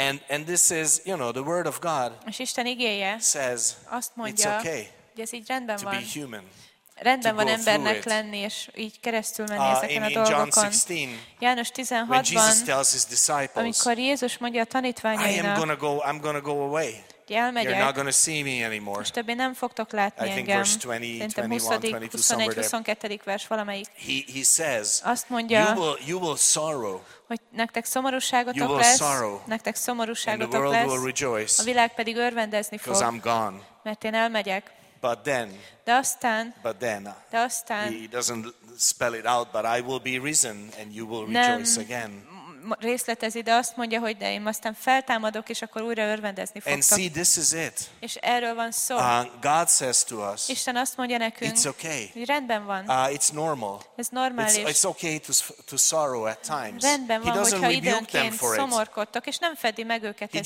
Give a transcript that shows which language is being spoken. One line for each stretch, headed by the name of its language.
English: And this is, you know, the word of God.
Hungarian: És Isten igéje azt mondja, hogy ez így rendben van. Rendben van embernek lenni, és így keresztül menni ezeken a dolgokon. 16, János 16-ban, amikor Jézus mondja a tanítványainak, hogy elmegyek, és többé nem fogtok látni engem. Szerintem 21-22 vers valamelyik.
English: He says,
Hungarian: azt mondja,
English: you will sorrow.
Hungarian: Hogy nektek szomorúságotok lesz, nektek szomorúságotok lesz, a világ pedig örvendezni fog, mert én elmegyek.
English: But then, he doesn't spell it out, but I will be risen and you will rejoice again.
Hungarian: Részletezi, de azt mondja, hogy de én aztán feltámadok, és akkor újra örvendezni fogtok.
English: And see, this is it.
Hungarian: És erről van szó.
English: God says to us,
Hungarian: Isten azt mondja nekünk,
English: it's okay.
Hungarian: Rendben van.
English: It's normal.
Hungarian: Ez normális.
English: It's okay to sorrow at times.
Hungarian: Rendben van, hogyha időnként szomorkodtok, és nem fedi meg őket ezért.